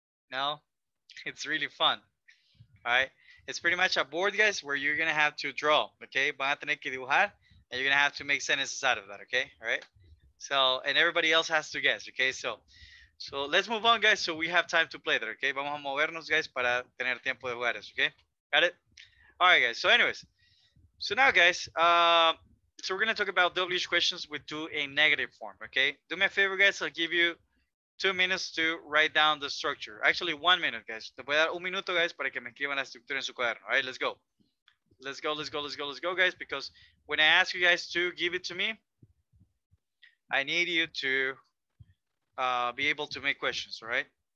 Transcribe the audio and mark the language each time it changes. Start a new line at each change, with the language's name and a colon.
English: No? It's really fun. All right. It's pretty much a board, guys, where you're going to have to draw, okay?
Spanish: Van a tener que dibujar,
English: and you're going to have to make sentences out of that, okay? All right? So, and everybody else has to guess, okay? So let's move on, guys, so we have time to play there, okay?
Spanish: Vamos a movernos, guys, para tener tiempo de jugar, okay?
English: Got it? All right, guys, so anyways. So now, guys, so we're going to talk about WH questions with two in negative form, okay? Do me a favor, guys, I'll give you 2 minutes to write down the structure. Actually, 1 minute, guys.
Spanish: Te voy a dar un minuto, guys, para que me escriban la estructura en su cuaderno.
English: All right, let's go. Let's go, guys, because when I ask you guys to give it to me, I need you to be able to make questions, all right?